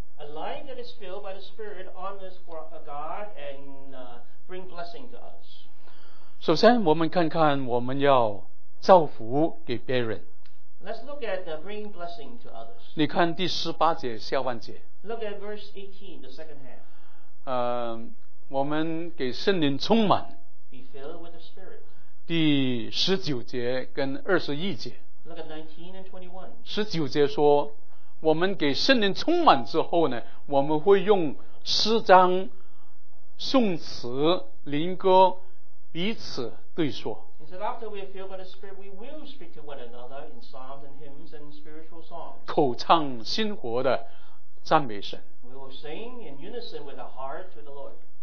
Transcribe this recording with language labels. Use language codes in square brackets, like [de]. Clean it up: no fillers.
[en] A life that is filled by the Spirit honors God and bring blessing to us. [zh] 首先我们看看我们要造福给别人。 [en] Let's look at bring blessing to others. [zh] 你看第十八节下半节。 [en] Look at verse 18, the second half. [zh] 我们给圣灵充满。 [en] Be filled with the Spirit. [zh] 第十九节跟二十一节。 [en] Look at 19 and 21. [zh] 十九节说，我们给圣灵充满之后呢，我们会用诗章、颂词、灵歌彼此对说。 [en] He said, after we are filled by the Spirit, we will speak to one another in psalms and hymns and spiritual songs. [zh] 口唱心活的赞美神。 [en] We will sing in unison with our heart to the Lord.